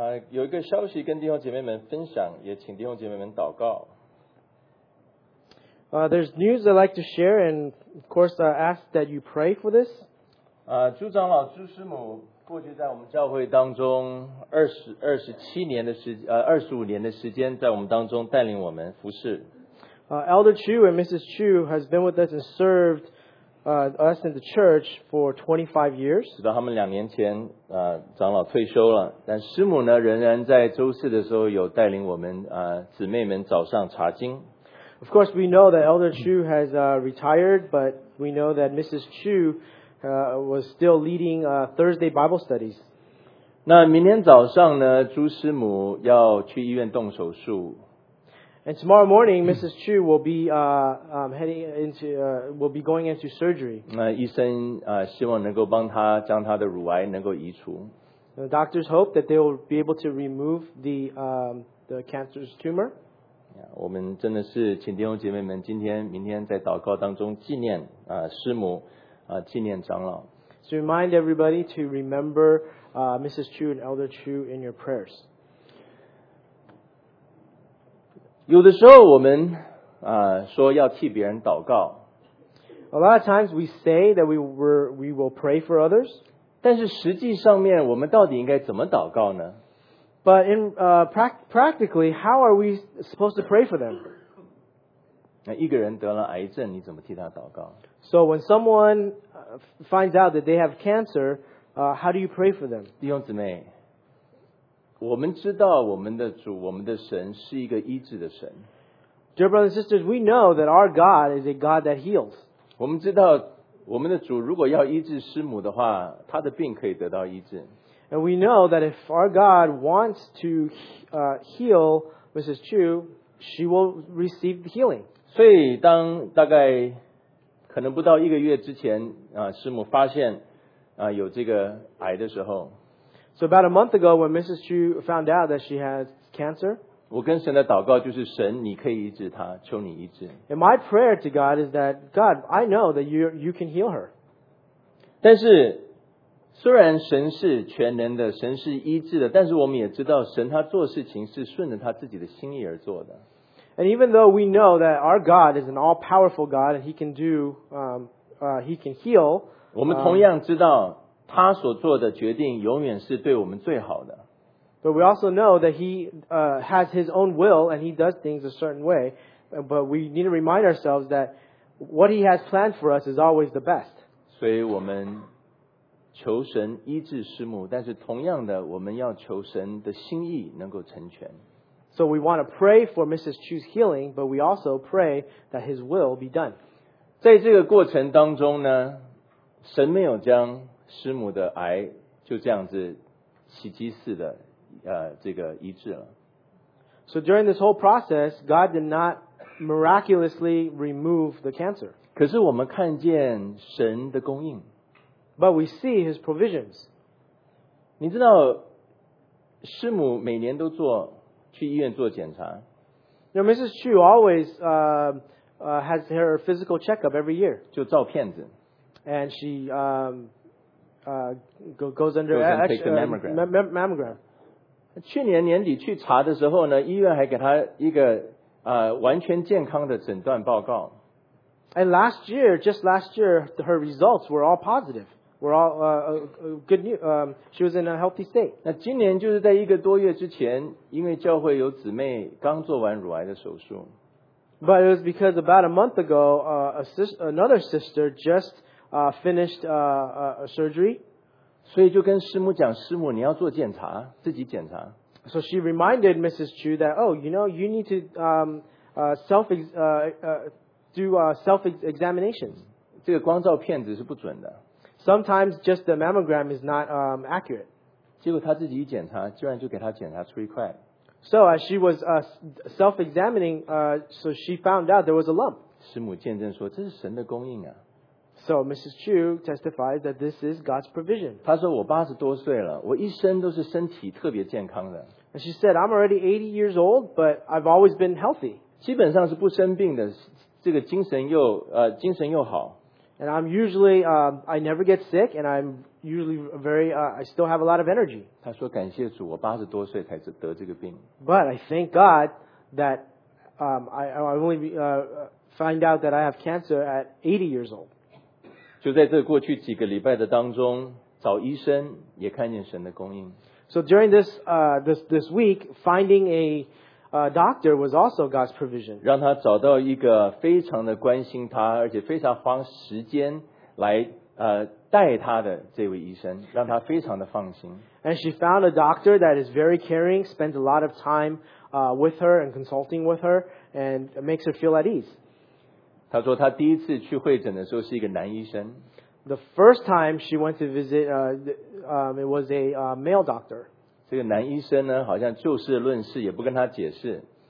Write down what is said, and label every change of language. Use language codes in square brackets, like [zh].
[zh] 有一个消息跟弟兄姐妹们分享，也请弟兄姐妹们祷告。 [en] There's news I'd like to share, and of course, ask that you pray for this. [zh] 朱长老、朱师母过去在我们教会当中二十五年的时间，在我们当中带领我们服事。 [en] Elder Chu and Mrs. Chu has been with us and served us in the church for 25 years. [zh] 直到他们两年前长老退休了，但师母呢仍然在周四的时候有带领我们姊妹们早上查经。 [en] Of course, we know that Elder Chu has retired, but we know that Mrs. Chu was still leading Thursday Bible studies. [zh] 那明天早上呢，朱师母要去医院动手术。 [en] And tomorrow morning, Mrs. Chu will be going into surgery. [zh] 那医生希望能够帮她将她的乳癌能够移除。 [en] The doctors hope that they will be able to remove the cancerous tumor. [zh] 我们真的是请弟兄姐妹们今天、明天在祷告当中纪念师母纪念长老。 [en] So remind everybody to remember Mrs. Chu and Elder Chu in your prayers. [zh] 有的时候我们说要替别人祷告。 [en] A lot of times we say that we will pray for others. [zh] 但是实际上面我们到底应该怎么祷告呢？ [en] But in practically, how are we supposed to pray for them? [zh] 那一个人得了癌症，你怎么替他祷告？ [en] So when someone finds out that they have cancer, how do you pray for them? [zh] 弟兄姊妹，我们知道我们的主、我们的神是一个医治的神。 [en] Dear brothers and sisters, we know that our God is a God that heals. [zh] 我们知道我们的主如果要医治师母的话，他的病可以得到医治。 [en] And we know that if our God wants to heal Mrs. Chu, she will receive the healing. [zh] 所以当大概可能不到一个月之前师母发现有这个癌的时候。 [en] So about a month ago when Mrs. Chu found out that she had cancer. [zh] 我跟神的祷告就是神你可以医治她，求你医治。 [en] And my prayer to God is that, God, I know that you can heal her. [zh] 但是虽然神是全能的，神是医治的，但是我们也知道神他做事情是顺着他自己的心意而做的。 [en] And even though we know that our God is an all-powerful God and he can do, he can heal, [zh] 我们同样知道他所做的决定永远是对我们最好的。 [en] But we also know that he has his own will and he does things a certain way, but we need to remind ourselves that what he has planned for us is always the best. [zh] 所以我们求神医治师母，但是同样的，我们要求神的心意能够成全。 [en] So we want to pray for Mrs. Chu's healing, but we also pray that His will be done. [zh] 在这个过程当中呢，神没有将师母的癌就这样子奇迹似的这个医治了。 [en] So during this whole process, God did not miraculously remove the cancer. [zh] 可是我们看见神的供应。 [en] But we see his provisions. [zh] 你知道师母每年都做去医院做检查。 [en] You know, Mrs. Chu always has her physical checkup every year. [zh] 就照片子。 [en] And she goes under mammogram. [zh] 去年年底去查的时候呢，医院还给她一个完全健康的诊断报告。 [en] And last year, just last year, her results were all positive. We're all good news. She was in a healthy state. [zh] 那今年就是在一个多月之前，因为教会有姊妹刚做完乳癌的手术。 [en] But it was because about a month ago, another sister just finished a surgery. [zh] 所以就跟师母讲，师母你要做检查，自己检查。 [en] So she reminded Mrs. Chu that, oh, you know, you need to self-examination. [zh] 这个光照片子是不准的。 [en] Sometimes just the mammogram is not accurate. [zh] 结果他自己一检查，居然就给他检查出一块。 [en] So as she was self-examining, so she found out there was a lump. [zh] 师母见证说，这是神的供应啊。 [en] So Mrs. Chu testifies that this is God's provision. [zh] 她说我八十多岁了，我一生都是身体特别健康的。 [en] And she said, I'm already 80 years old, but I've always been healthy. [zh] 基本上是不生病的，这个精神又精神又好。 [en] And I'm usually, I never get sick, and I'm usually very, I still have a lot of energy. [zh] 她说感谢主，我八十多岁才得这个病。 [en] But I thank God that, I only find out that I have cancer at 80 years old. [zh] 就在这过去几个礼拜的当中，找医生也看见神的供应。 [en] So during this, this week, finding a, doctor was also God's provision. [zh] 让他找到一个非常的关心他，而且非常花时间来带他的这位医生，让他非常的放心。 [en] And she found a doctor that is very caring, spends a lot of time, with her and consulting with her, and makes her feel at ease. [zh] 他说他第一次去会诊的时候是一个男医生。 [en] The first time she went to visit, it was a male doctor. [zh] 这个男医生呢，好像就事论事，也不跟他解释。